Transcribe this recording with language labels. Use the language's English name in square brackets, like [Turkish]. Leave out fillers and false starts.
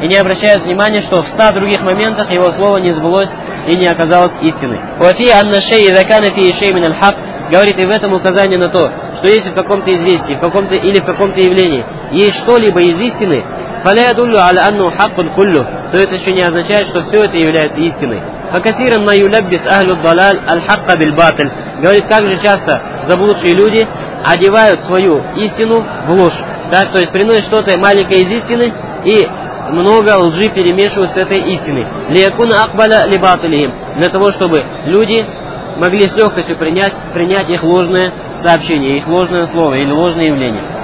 [Russian] И не обращают внимания, что в 100 других моментах его слово не сбылось и не оказалось истиной. [Arabic] «Вафи анна шей и закана фи и шей мин аль-хак» [Russian] говорит и в этом указание на то, что если в каком-то известии, в каком-то или в каком-то явлении есть что-либо из истины, [Arabic] «фаля дуллю аль-анну хаккун куллю», [Russian] то это еще не означает, что все это является истиной. [Arabic] فكثيرا ما يلبس أهل الضلال الحق بالباطل. [Russian] Говорит, как же часто заблудшие люди одевают свою истину в ложь. Да, то есть приносят что-то маленькое из истины и много лжи перемешивают с этой истиной. [Arabic] Лиякуна акбаля либатилихим. [Russian] Для того, чтобы люди могли с легкостью принять их ложное сообщение, их ложное слово или ложное явление.